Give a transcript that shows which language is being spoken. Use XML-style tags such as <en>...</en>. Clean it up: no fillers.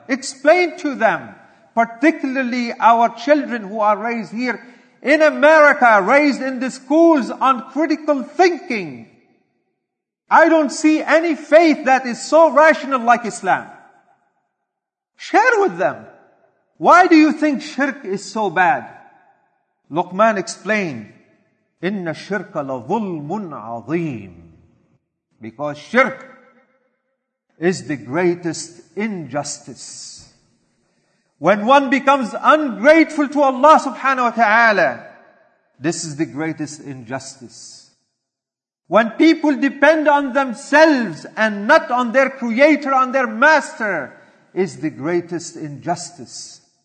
<en>Explain to them. Particularly our children who are raised here in America, raised in the schools on critical thinking. I don't see any faith that is so rational like Islam. Share with them. Why do you think shirk is so bad? Luqman explained,</en> <ar>إِنَّ الشِّرْكَ لَظُلْمٌ عَظِيمٌ.</ar> <en>Because shirk is the greatest injustice. When one becomes ungrateful to Allah subhanahu wa ta'ala, this is the greatest injustice. When people depend on themselves and not on their creator, on their master, is the greatest injustice.</en>